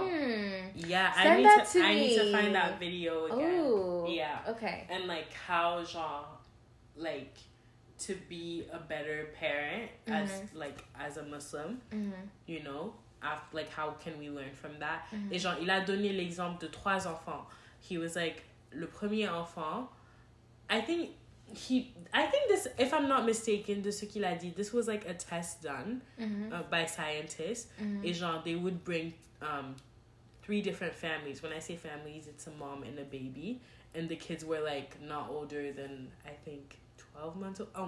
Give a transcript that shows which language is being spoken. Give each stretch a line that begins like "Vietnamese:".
English: Mm. Yeah, me. I need to find that video again. Ooh. Yeah. Okay. And like how genre, like... to be a better parent as mm-hmm. like as a Muslim, mm-hmm. you know, after, like, how can we learn from that? Mm-hmm.
French: Et genre, il a donné l'exemple de 3 enfants.
English: He was like, le premier enfant, I think this, if I'm not mistaken, de ce qu'il a dit, this was like a test done mm-hmm. By scientists. Mm-hmm. Et genre, they would bring 3 different families. When I say families, it's a mom and a baby, and the kids were like not older than, I think, 12 months old.